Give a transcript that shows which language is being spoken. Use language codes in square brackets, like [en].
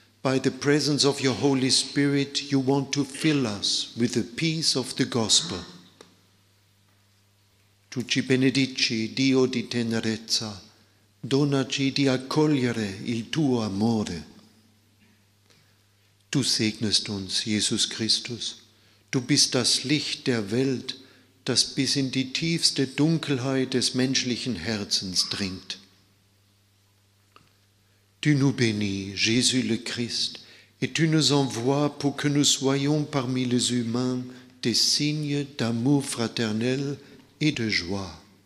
[en] By the presence of your Holy Spirit, you want to fill us with the peace of the gospel. [it] Tu ci benedici, Dio di tenerezza, donaci di accogliere il tuo amore. [de] Du segnest uns, Jesus Christus. Du bist das Licht der Welt, das bis in die tiefste Dunkelheit des menschlichen Herzens dringt. [fr] Tu nous bénis, Jésus le Christ, et tu nous envoies pour que nous soyons parmi les humains des signes d'amour fraternel et de joie.